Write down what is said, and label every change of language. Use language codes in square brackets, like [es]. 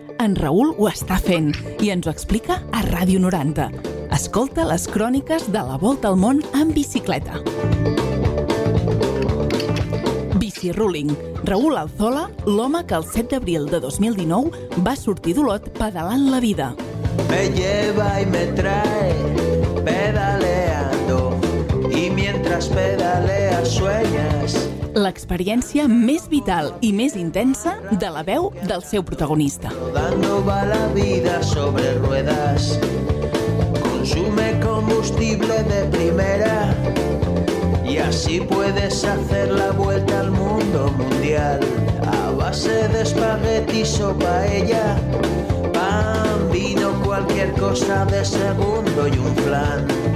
[ca] En Raül ho està fent i ens ho explica a Ràdio 90. Escolta les cròniques de la Volta al Món en bicicleta. Bici Ruling. Raül Alzola, l'home que el 7 d'abril de 2019 va sortir d'Olot pedalant la vida. [es] Me lleva y me trae pedaleando y mientras pedaleas sueñas. [ca] L'experiència més vital i més intensa de la veu del seu protagonista. [es] Rodando va la vida sobre ruedas, consume combustible de primera y así puedes hacer la vuelta al mundo mundial a base de espagueti, sopa ella, pan, vino, cualquier cosa de segundo y un flan.